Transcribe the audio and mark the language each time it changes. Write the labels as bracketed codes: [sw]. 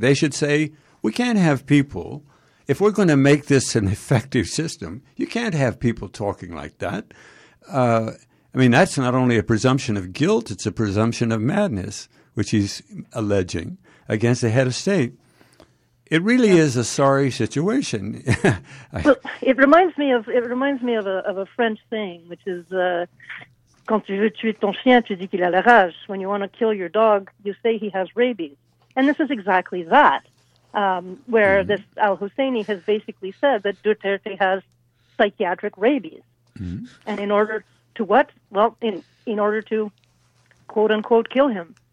[en] They should say, we can't have people... If we're going to make this an effective system, you can't have people talking like that. That's not only a presumption of guilt, it's a presumption of madness, which he's alleging, against the head of state. It really is a sorry situation. it reminds me of a French saying, which is, [fr] quand tu veux tuer ton chien, tu dis qu'il a la rage. [en] When you want to kill your dog, you say he has rabies. And this is exactly that. This al-Husseini has basically said that Duterte has psychiatric rabies. Mm-hmm. And in order to what? Well, in order to, quote-unquote, kill him.